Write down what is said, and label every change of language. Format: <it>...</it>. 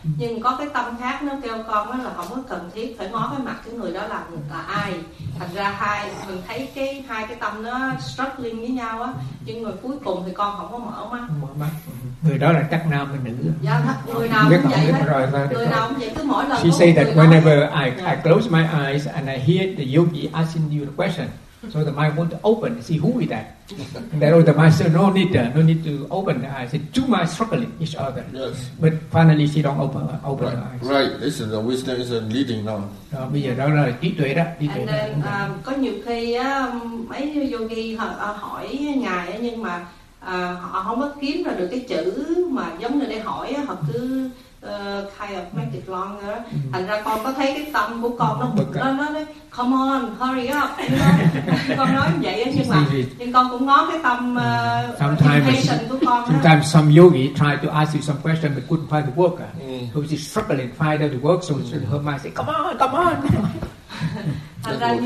<vi>Nhưng có cái tâm khác nó kêu con đó là không có cần thiết phải ngó cái mặt cái người đó là ai. Thành ra hai mình thấy cái hai cái tâm nó struggling với nhau á, nhưng người cuối cùng thì con không có mở mắt. Người đó là chắc nam hay nữ? Dạ, người nào cũng vậy hết. Người nào cũng vậy, cứ mỗi lần</vi> <en>she say that whenever I close my eyes and I hear the yogi asking you the question, so the mind want to open and see who is that. And then the master, no need to open the eyes. It's too much struggling each other. Yes. But finally she don't open right. her eyes. Right, this is the wisdom is leading now.</en> <vi>Đó, bây giờ đó là trí tuệ đó. Trí tuệ</vi> <en>and then,</en> <vi>có nhiều khi mấy yogi hỏi ngài, nhưng mà họ không có kiếm ra được cái chữ mà giống như để hỏi, họ cứ</vi> <en>kind of make it long</en> <vi>nữa. Thành ra con có thấy cái tâm của con nó bực lên, nó nói</vi> <en>come on hurry up</en> <vi>con nói vậy á, nhưng con cũng ngó cái tâm</vi> <en>sometimes some yogi try to ask you some question but couldn't find the work, so she's struggling find out the work, so her mind say come on</en>